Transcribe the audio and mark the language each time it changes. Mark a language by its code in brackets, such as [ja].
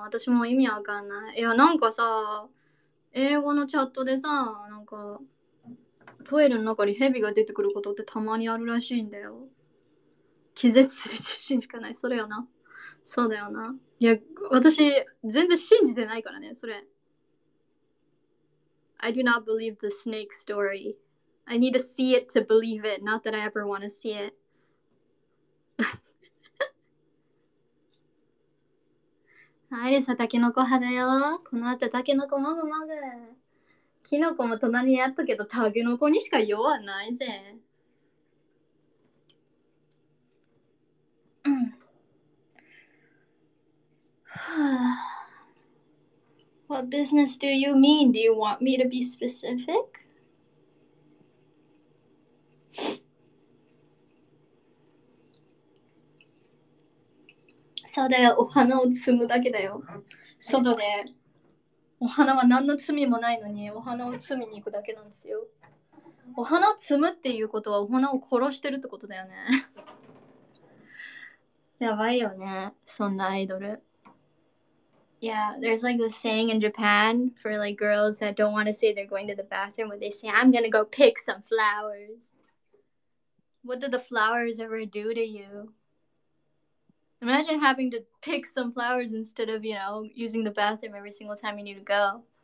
[ja] 私も意味わかんない。いや、なんかさ、英語のチャットでさ、なんか、トイレの中にヘビが出てくることってたまにあるらしいんだよ。気絶する自信しかない。それよな。そうだよな。いや、私、全然信じてないからね、それ。 [en] I do not believe the snake story. I need to see it to believe it, not that I ever want to see it. [ja] アイリスはタケノコ派だよ。この後タケノコもぐもぐ。キノコも隣にあったけど、タケノコにしか用はないぜ。 [en] What business do you mean? Do you want me to be specific? [ja] そうだよ、お花を摘むだけだよ。外で、お花は何の罪もないのに、お花を摘みに行くだけなんですよ。お花を摘むっていうことは、お花を殺してるってことだよね。やばいよね、そんなアイドル。 [en] Yeah, there's like this saying in Japan for like girls that don't want to say they're going to the bathroom, where they say, I'm going to go pick some flowers. What did the flowers ever do to you? Imagine having to pick some flowers instead of, you know, using the bathroom every single time you need to go.